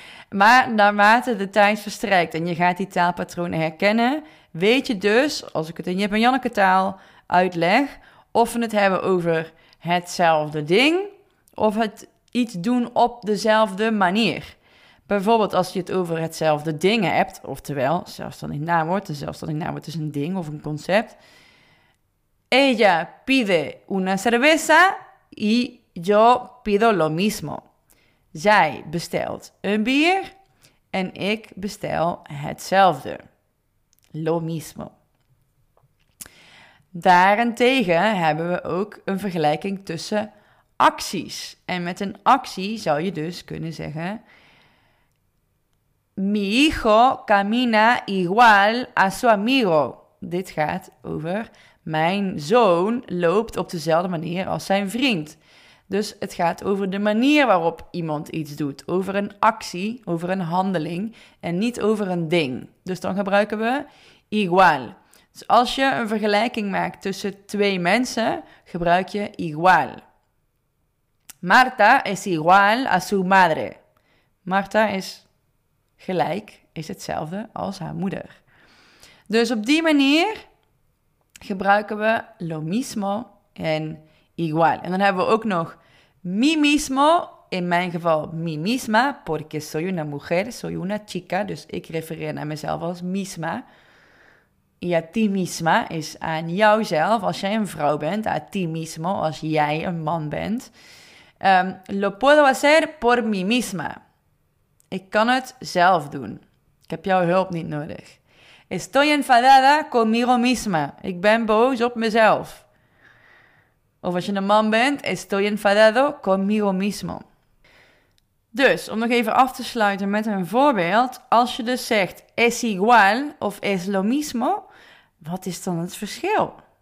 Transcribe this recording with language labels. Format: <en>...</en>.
<nl>Maar naarmate de tijd verstrijkt en je gaat die taalpatronen herkennen, weet je dus, als ik het in Jip en Janneke taal uitleg, of we het hebben over hetzelfde ding of het iets doen op dezelfde manier. Bijvoorbeeld als je het over hetzelfde ding hebt, oftewel zelfstandig naamwoord. Een zelfstandig naamwoord is een ding of een concept.</nl> <es>Ella pide una cerveza y yo pido lo mismo.</es> <nl>Zij bestelt een bier en ik bestel hetzelfde. Lo mismo. Daarentegen hebben we ook een vergelijking tussen acties. En met een actie zou je dus kunnen zeggen:</nl> <es>mi hijo camina igual a su amigo.</es> <nl>Dit gaat over mijn zoon loopt op dezelfde manier als zijn vriend. Dus het gaat over de manier waarop iemand iets doet. Over een actie, over een handeling en niet over een ding. Dus dan gebruiken we igual. Dus als je een vergelijking maakt tussen twee mensen, gebruik je igual.</nl> <es>Marta es igual a su madre.</es> <nl>Marta is gelijk, is hetzelfde als haar moeder. Dus op die manier gebruiken we lo mismo en igual. En dan hebben we ook nog mi mismo, in mijn geval mi misma,</nl> <es>porque soy una mujer, soy una chica.</es> <nl>Dus ik refereer naar mezelf als misma.</nl> <es>Y a ti misma</es> <nl>is aan jouzelf als jij een vrouw bent.</nl> <es>A ti mismo,</es> <nl>als jij een man bent.</nl> <es>Lo puedo hacer por mi misma.</es> <nl>Ik kan het zelf doen. Ik heb jouw hulp niet nodig.</nl> <es>Estoy enfadada conmigo misma.</es> <nl>Ik ben boos op mezelf. Of als je een man bent,</nl> <es>estoy enfadado conmigo mismo.</es> <nl>Dus, om nog even af te sluiten met een voorbeeld. Als je dus zegt,</nl> <es>es igual</es> <nl>of</nl> <es>es lo mismo,</es> <nl>wat is dan het verschil?</nl>